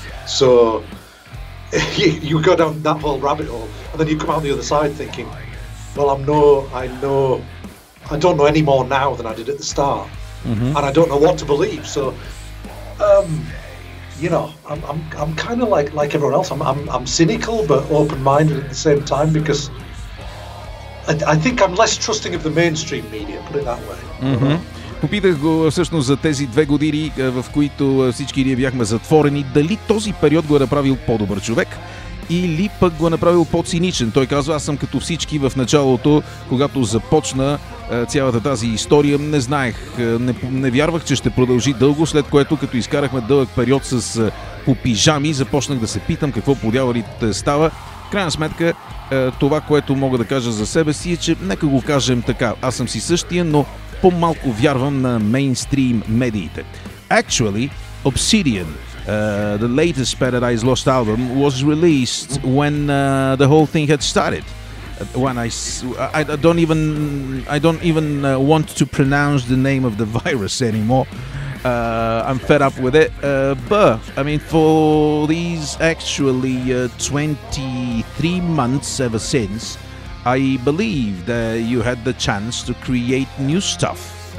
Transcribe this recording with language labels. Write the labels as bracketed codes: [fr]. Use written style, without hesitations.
[en] So you go down that whole rabbit hole, and then you come out on the other side thinking, well, I don't know any more now than I did at the start, mm-hmm. and I don't know what to believe. So, you know, I'm kind of like everyone else. I'm cynical but open-minded at the same time, because I think I'm less trusting of the mainstream media. Put it that way. Mm-hmm. [bg] Попитах го всъщност за тези две години, в които всички ние бяхме затворени, дали този период го е направил по-добър човек или пък го е направил по-циничен. Той казва, аз съм като всички в началото, когато започна цялата тази история, не знаех, не вярвах, че ще продължи дълго, след което като изкарахме дълъг период с по пижами, започнах да се питам какво по дяволите става. В крайна сметка, това, което мога да кажа за себе си е, че нека го кажем така, аз съм си същия, но по-малко вярвам на мейнстрим медиите. [en] Actually, Obsidian, the latest Paradise Lost album, was released when the whole thing had started. When I don't even want to pronounce the name of the virus anymore. I'm fed up with it. But I mean, for these actually 23 months ever since, I believe that you had the chance to create new stuff.